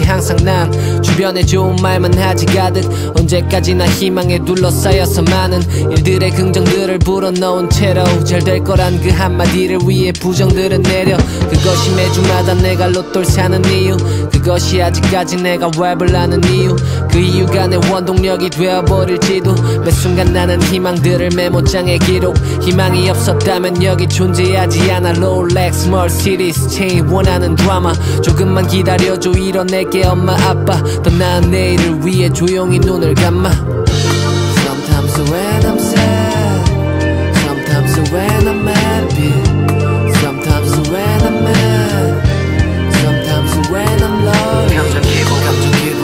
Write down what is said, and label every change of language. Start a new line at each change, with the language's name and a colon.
Korean: 항상 난 주변에 좋은 말만 하지 가득. 언제까지나 희망에 둘러싸여서 많은 일들의 긍정들을 불어넣은 채로 잘 될 거란 그 한마디를 위해 부정들을 내려. 그것이 매주마다 내가 로또를 사는 이유. 그것이 아직까지 내가 랩을 하는 이유. 그 이유가 내 원동력이 되어버릴지도. 매 순간 나는 희망들을 메모장에 기록. 희망이 없었다면 여기 존재하지 않아.
English: Rolex, small cities, chain
Korean: 원하는 드라마. 조금만 기다려줘 이뤄낼게 엄마 아빠. 더 나은 내일을 위해 조용히 눈을 감아.
English: Sometimes when I'm sad, sometimes when I'm happy, sometimes when I'm mad, sometimes when I'm lonely.